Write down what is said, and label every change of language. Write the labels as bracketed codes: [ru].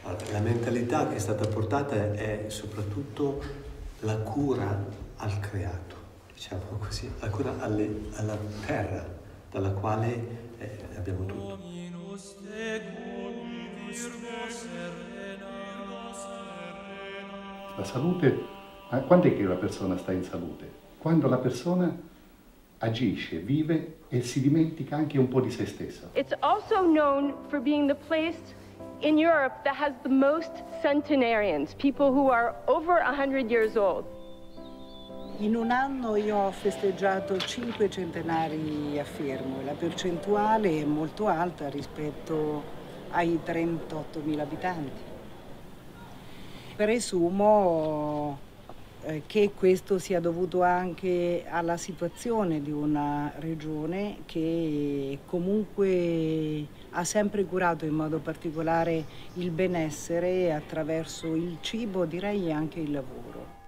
[it] La mentalità che è stata portata è soprattutto la cura al creato, diciamo così, la cura alla terra dalla quale abbiamo tutto. La salute, ma quando è che la persona sta in salute? Quando la persona agisce, vive e si dimentica anche un po' di se stessa. [en] It's also known for being the place in Europe that has the most centenarians, people who are over 100 years old. [it] In un anno io ho festeggiato 5 centenari a Fermo. La percentuale è molto alta rispetto ai 38.000 abitanti. Presumo che questo sia dovuto anche alla situazione di una regione che comunque ha sempre curato in modo particolare il benessere attraverso il cibo, direi anche il lavoro.